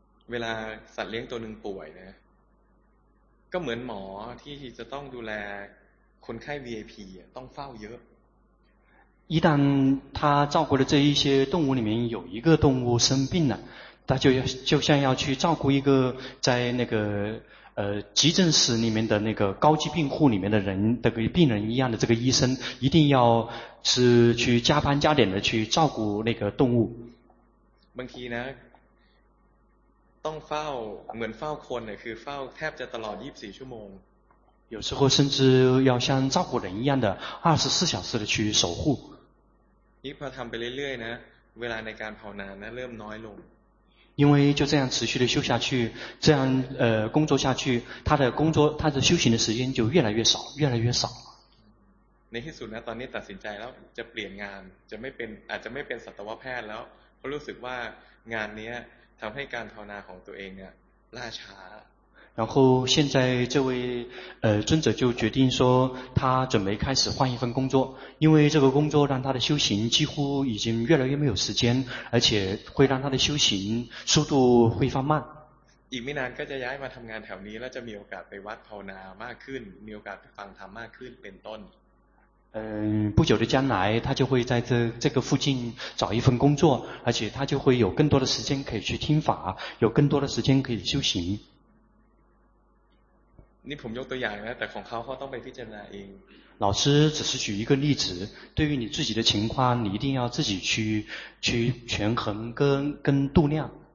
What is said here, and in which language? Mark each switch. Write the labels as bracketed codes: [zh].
[th] เวลาสัตว์เลี้ยงตัวหนึ่งป่วยนะก็เหมือนหมอที่จะต้องดูแลคนไข้ VIP ต้องเฝ้าเยอะ [zh] 一旦他照顾的这一些动物里面有一个动物生病了，他就要就像要去照顾一个在那个急诊室里面的那个高级病户里面的人的病人一样的，这个医生一定要是去加班加点的去照顾那个动物。 [th] บางทีนะต้องเฝ้าเหมือนเฝ้าคนเนี่ยคือเฝ้าแทบจะตลอด24ชั่วโมง [zh] 有时候甚至要像照顾人一样的24小时的去守护。 [th] นี่พอทําไปเรื่อยๆนะเวลาในการภาวนาเนี่ยเริ่มน้อยลง [zh] 因为就这样持续的修下去，这样工作下去，他的工作他的修行的时间就越来越少越来越少。 [th] ในที่สุดนะตอนนี้ตัดสินใจแล้วจะเปลี่ยนงานจะไม่เป็นอาจจะไม่เป็นสัตวแพทย์แล้วเพราะรู้สึกว่างานนี้ทำให้การภาวนาของตัวเองเนี่ยล่าช้า [zh] 然后现在这位尊者就决定说他准备开始换一份工作，因为这个工作让他的修行几乎已经越来越没有时间，而且会让他的修行速度会放慢。 [th] อีกไม่นานก็จะย้ายมาทำงานแถวนี้แล้วจะมีโอกาสไปวัดภาวนามากขึ้นมีโอกาสฟังธรรมมากขึ้นเป็นต้น [zh] 不久的将来他就会在这个附近找一份工作，而且他就会有更多的时间可以去听法，有更多的时间可以修行。 [th] นี่ผมยกตัวอย่างนะแต่ของเขาเขาต้องไปพิจารณาเอง [zh] 老师只是举一个例子，对于你自己的情况你一定要自己去权衡跟度量。